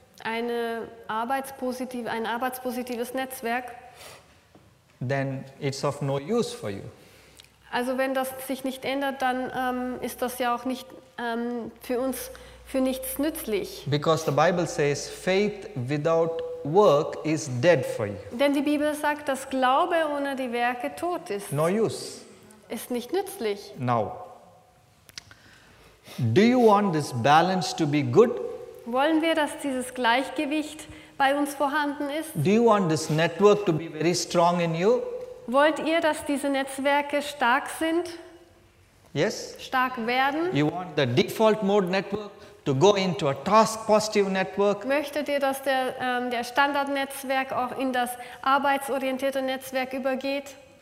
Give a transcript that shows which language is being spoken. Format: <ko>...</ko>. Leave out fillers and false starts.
<de>Ein arbeitspositives Netzwerk.</de> <en>Then it's of no use for you.</en> <de>Also wenn das sich nicht ändert, dann ist das ja auch nicht für uns für nichts nützlich.</de> <en>Because the Bible says faith without work is dead for you.</en> <de>Denn die Bibel sagt, dass Glaube ohne die Werke tot ist.</de> <en>No use.</en> <de>Ist nicht nützlich.</de> <en>Now, do you want this balance to be good?</en> <de>Wollen wir, dass dieses Gleichgewicht bei uns vorhanden ist?</de> <en>Do you want this network to be very strong in you?</en> <de>Wollt ihr, dass diese Netzwerke stark sind?</de> <en>Yes.</en> <de>Stark werden?</de> <en>You want the default mode network to go into a task positive network?</en> <de>Möchtet ihr, dass der Standardnetzwerk auch in das arbeitsorientierte Netzwerk übergeht?</de>